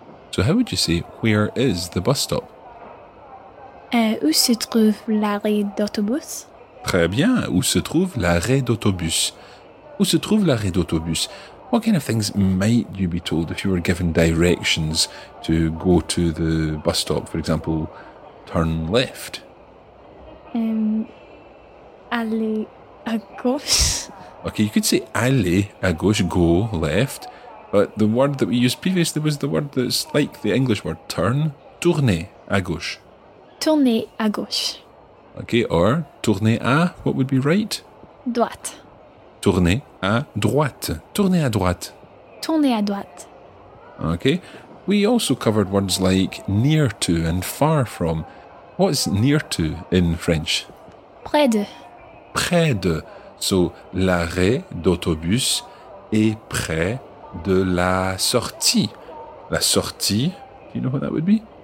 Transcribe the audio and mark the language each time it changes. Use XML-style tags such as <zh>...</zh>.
<en>So how would you say, where is the bus stop?</en> <fr>Où se trouve l'arrêt d'autobus? Très bien, où se trouve l'arrêt d'autobus? Où se trouve l'arrêt d'autobus?</fr> <en>What kind of things might you be told if you were given directions to go to the bus stop? For example, turn left.</en> <fr>Aller à gauche.</fr> <en>Okay, you could say</en> <fr>aller à gauche,</fr> <en>go left. But the word that we used previously was the word that's like the English word turn,</en> <fr>tourner à gauche. Tourner à gauche.</fr> <en>Okay, or tourner à, what would be right?</en> <fr>Droite. Tourner à droite. Tourner à droite. Tourner à droite.</fr> <en>Okay. We also covered words like near to and far from. What's near to in French?</en> <fr>Près de. Près de. So, l'arrêt d'autobus est près de la sortie.</fr> <en>La sortie, do you know what that would be?</en>